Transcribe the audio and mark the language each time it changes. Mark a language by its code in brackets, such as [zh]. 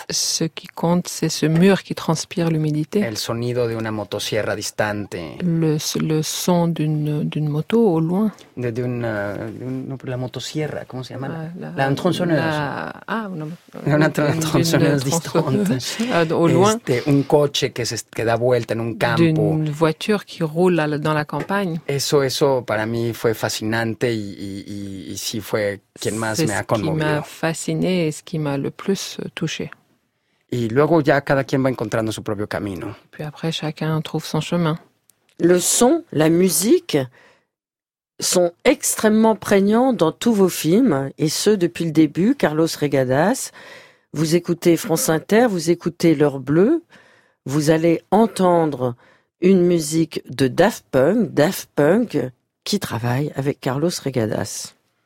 [fr] Ce qui compte c'est ce mur qui transpire l'humidité. [es] El sonido de una motosierra distante. [fr] Le son d'une moto au loin. [es] La motosierra, ¿cómo se llama? La tronsonera. Una tronsonera distante. [fr] Au loin. [es] Un coche que da vuelta en un campo. [fr] D'une voiture qui roule dans la campagne. [es] Eso para mí fue fascinante y sí fue quien más me ha conmovido. [fr] Ce qui m'a fasciné es que m'a le plus touché. [es] Y luego ya cada quien va encontrando su propio camino. [fr] Puis après chacun trouve son chemin. Le son, la musique sont extrêmement prégnants dans tous vos films et ce depuis le début, Carlos Regadas, vous écoutez France Inter, vous écoutez L'Heure Bleue, vous allez entendre une musique de Daft Punk qui travaille avec Carlos Regadas.